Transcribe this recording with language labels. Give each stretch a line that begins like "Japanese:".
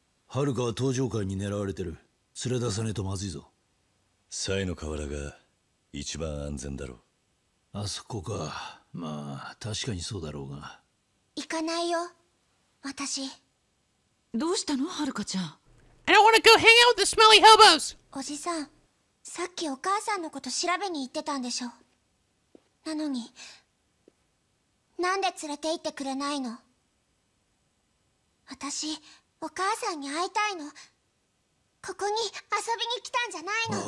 Japanese: はるかは登場会に狙われてる。連れ出さねえとまずいぞ。サイの河原が一番安全だろう。あそこか。まあ確かにそうだろうが。行かないよ。私。どうしたの、はるかちゃん。
English: I don't wanna go hang out with the smelly hobos!
Japanese: おじさん、さっきお母さんのこと調べに行ってたんでしょ。なのに、なんで連れて行ってくれないの？私、お母さんに会いたいの。ここに遊びに来たんじゃないの。